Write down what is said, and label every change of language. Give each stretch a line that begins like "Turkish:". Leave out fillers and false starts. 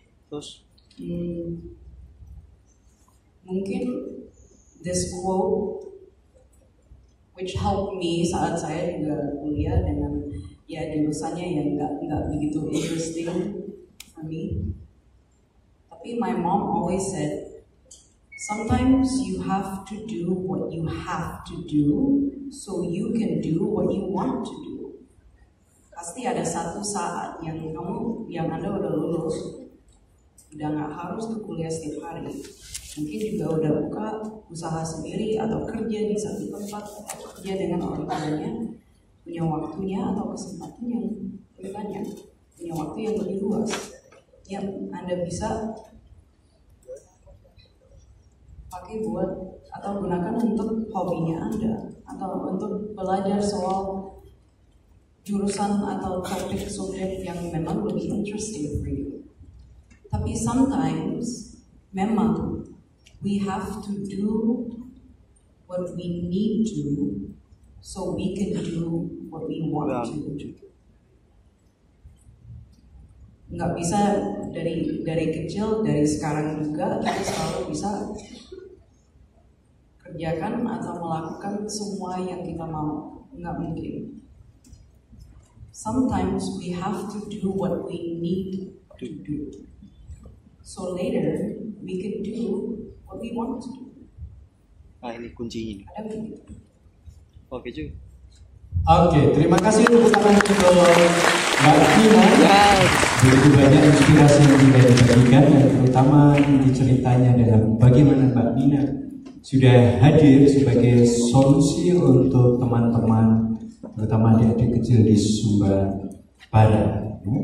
Indonesian: Terus? Mungkin
English: this quote which helped me
Indonesian: saat saya juga kuliah dengan ya jurusannya yang enggak begitu
English: interesting for me.
Indonesian: Tapi
English: my mom always said, sometimes you have to do what you have to do so you can do what you want to do.
Indonesian: Pasti ada satu saat yang kamu, yang Anda udah lulus, udah enggak harus ke kuliah setiap hari. Mungkin juga udah buka usaha sendiri atau kerja di satu tempat, kerja dengan orang tuanya. Punya waktunya atau kesempatan yang lebih banyak, punya waktu yang lebih luas, yang Anda bisa pakai buat atau gunakan untuk hobinya Anda, atau untuk belajar soal jurusan atau topik subjek yang memang lebih
English: interesting for you.
Indonesian: Tapi
English: sometimes,
Indonesian: memang,
English: we have to do what we need to so we can do what we want to.
Indonesian: Nggak bisa dari kecil, dari sekarang juga kita selalu bisa kerjakan atau melakukan semua yang kita mau. Nggak mungkin.
English: Sometimes we have to do what we need to do. So later we can do what we want to do.
Indonesian: Ah ini kuncinya. Oke cuy. Oke, terima kasih untuk teman-teman Mbak Tina. Begitu banyak inspirasi yang sudah diberikan, dan terutama di ceritanya adalah bagaimana Mbak Tina sudah hadir sebagai solusi untuk teman-teman, terutama adik-adik kecil di Sumba Barat.